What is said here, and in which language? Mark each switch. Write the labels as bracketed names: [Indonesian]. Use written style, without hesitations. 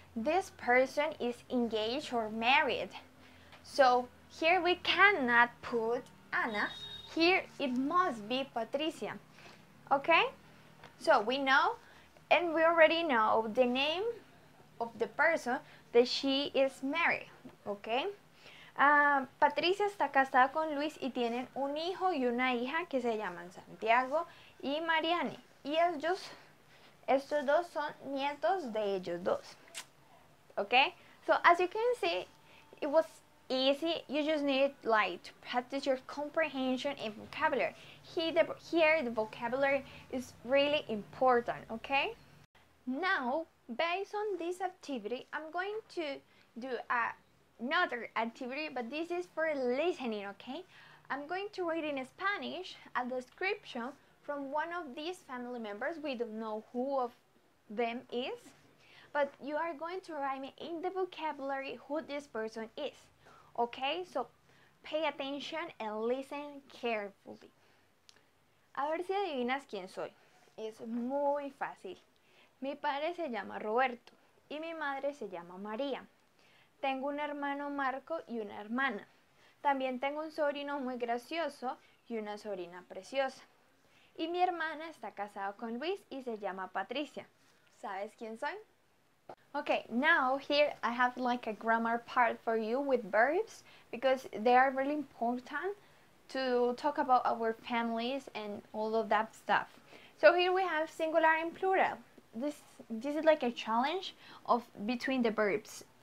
[English] This person is engaged or married. So, here we cannot put Ana. Here it must be Patricia. Okay? So we know, and we already know the name of the person that she is married. Okay? [Spanish] Patricia está casada con Luis y tienen un hijo y una hija que se llaman Santiago y Mariane. Y ellos, estos dos son nietos de ellos dos. [English] Okay? So as you can see, it was easy, you just need like to practice your comprehension and vocabulary. Here the vocabulary is really important, okay? Now, based on this activity, I'm going to do another activity, but this is for listening, okay? I'm going to read in Spanish a description from one of these family members. We don't know who of them is, but you are going to write me in the vocabulary who this person is. Okay, so pay attention and listen carefully. [Spanish] A ver si adivinas quién soy. Es muy fácil. Mi padre se llama Roberto y mi madre se llama María. Tengo un hermano Marco y una hermana. También tengo un sobrino muy gracioso y una sobrina preciosa. Y mi hermana está casada con Luis y se llama Patricia. ¿Sabes quién soy? [English] Okay, now here I have like a grammar part for you with verbs because they are really important to talk about our families and all of that stuff. So here we have singular and plural. This is like a challenge of between the verbs.